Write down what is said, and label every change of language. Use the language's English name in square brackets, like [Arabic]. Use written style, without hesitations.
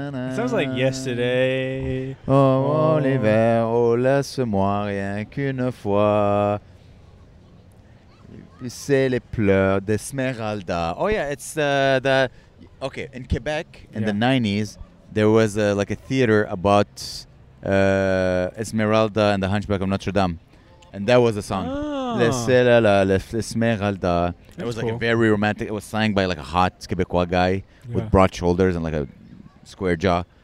[English] It sounds like yesterday. [French] Oh, mon hiver, oh, laisse-moi rien qu'une fois. C'est les pleurs d'Esmeralda. [English] Oh, yeah, it's the... Okay, in Quebec, in the 90s, there was like a theater about Esmeralda and the Hunchback of Notre Dame. And that was the song. Esmeralda. It was like a very romantic. It was sang by like a hot Quebecois guy with broad shoulders and like a square jaw.